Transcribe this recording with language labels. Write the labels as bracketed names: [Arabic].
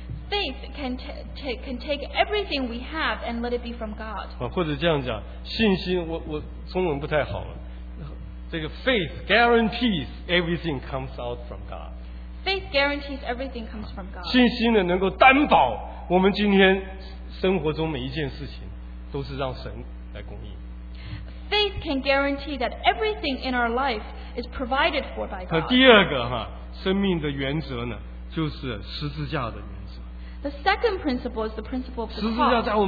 [English] Faith can take everything we have and let it be from God. [Chinese] 或者这样讲，信心，我中文不太好了。这个 [English] faith guarantees everything comes out from God. Faith guarantees everything comes from God. [Chinese] 信心呢，能够担保我们今天生活中每一件事情都是让神来供应。 [English] Faith can guarantee that everything in our life is provided for by God. [Chinese] 第二个哈，生命的原则呢，就是十字架的原则。 [English] The second principle is the principle of the cross.